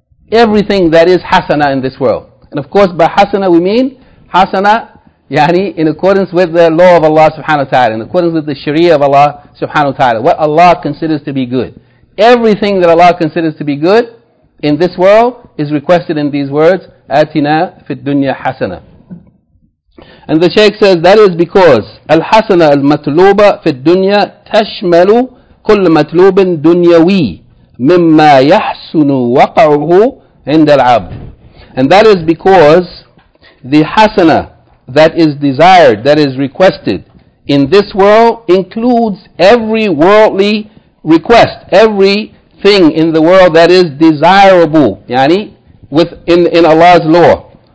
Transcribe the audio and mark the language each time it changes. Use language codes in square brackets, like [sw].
[en] Everything that is hasana in this world. And of course, by hasana we mean hasana, yani, in accordance with the law of Allah subhanahu wa ta'ala, in accordance with the sharia of Allah subhanahu wa ta'ala, what Allah considers to be good. Everything that Allah considers to be good in this world is requested in these words, atina fid dunya hasana. And the Shaykh says that is because [ar] الحسنة المطلوبة في الدنيا تشمل كل مطلوب دنيوي مما يحسن وقعه عند العبد. [en] And that is because the hasana that is desired, that is requested in this world includes every worldly request, everything in the world that is desirable, yani within Allah's law.